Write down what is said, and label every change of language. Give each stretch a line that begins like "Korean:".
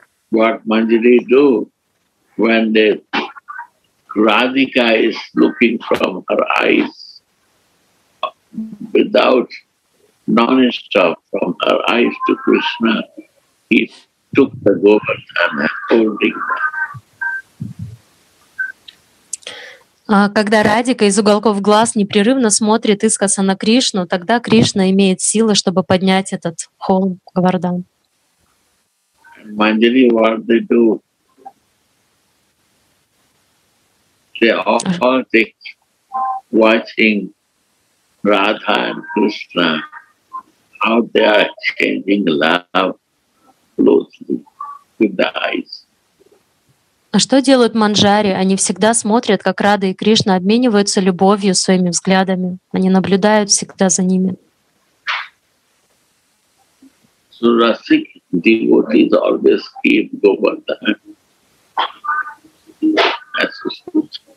English: What Manjari do when the Radhika is looking from her eyes without non-stop from her eyes to Krishna, he took the Govardhan and holding her.
Russian: Когда Радика из уголков глаз непрерывно смотрит искоса на Кришну, тогда Кришна имеет силы, чтобы поднять этот холм Говардан.
English: Manjari, what they do? They all take watching Radha and Krishna. How they are exchanging love closely with the eyes.
Russian: А что делают Манджари? Они всегда смотрят, как Рада и Кришна обмениваются любовью своими взглядами. Они наблюдают всегда за ними.
English: So rasic devotees always keep Govardhan.